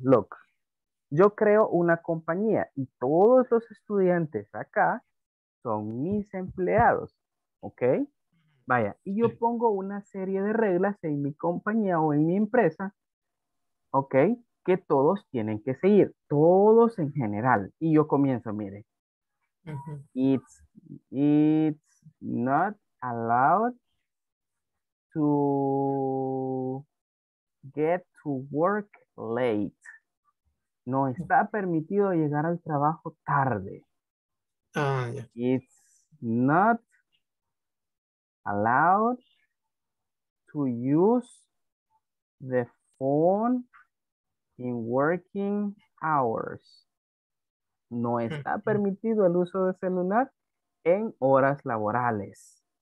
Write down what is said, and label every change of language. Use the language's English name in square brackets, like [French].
[Spanish] Look, yo creo una compañía y todos los estudiantes acá son mis empleados. Ok. Vaya, y yo pongo una serie de reglas en mi compañía o en mi empresa, ¿ok? Que todos tienen que seguir, todos en general. Y yo comienzo, mire. Uh-huh. [English] It's not allowed to get to work late. [Spanish] No está permitido llegar al trabajo tarde. [English] Yeah. It's not allowed to use the phone in working hours. [Spanish] No está permitido el uso de celular en horas laborales.